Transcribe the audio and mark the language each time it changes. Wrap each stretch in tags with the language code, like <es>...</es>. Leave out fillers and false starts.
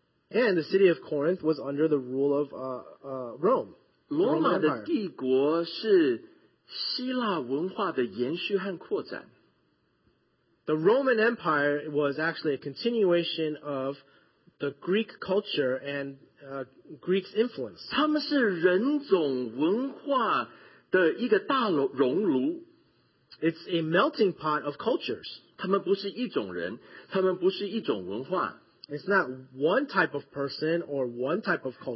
<en>And the city of Corinth was under the rule of Rome.</en> <zh>罗马的帝国是希腊文化的延续和扩展。</zh> <en>The Roman Empire was actually a continuation of the Greek culture and Greeks' influence.</en> <zh>他们是人种文化的一个大熔炉。</zh> <en>It's a melting pot of cultures.</en> <zh>他们不是一种人，他们不是一种文化。</zh> <en>It's not one type of person or one type of culture.</en>